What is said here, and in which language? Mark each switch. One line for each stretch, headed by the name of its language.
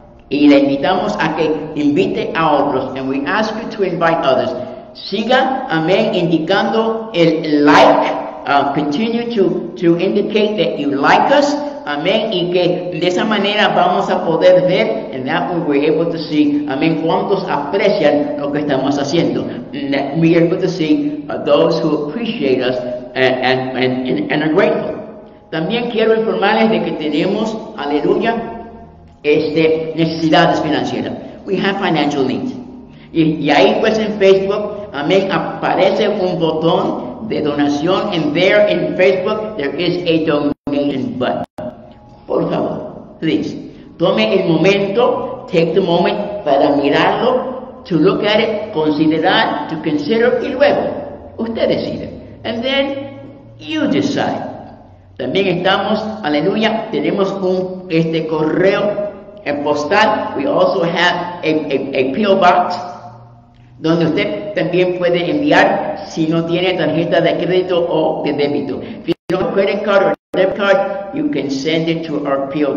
Spanish: Y le invitamos a que invite a otros.
English: And we ask you to invite others.
Spanish: Siga, amén, indicando el like.
English: Continue to indicate that you like us. Amén.
Spanish: Y que de esa manera vamos a poder ver.
English: And that way we're able to see, amén,
Spanish: cuántos aprecian lo que estamos haciendo.
English: And that we're able to see those who appreciate us and are grateful.
Spanish: También quiero informarles de que tenemos, aleluya, necesidades financieras.
English: We have financial needs.
Spanish: Y ahí pues en Facebook, amén, aparece un botón de donación.
English: And there in Facebook, there is a donation button.
Spanish: Por favor,
English: please,
Spanish: tome el momento,
English: take the moment
Spanish: para mirarlo,
English: to look at it,
Spanish: considerar,
English: to consider,
Spanish: y luego, usted decide.
English: And then, you decide.
Spanish: También estamos, aleluya, tenemos un correo en postal.
English: We also have a P.O. box
Spanish: donde usted también puede enviar si no tiene tarjeta de crédito o de débito.
English: If you don't have a credit card or debit card, you can send it to our P.O.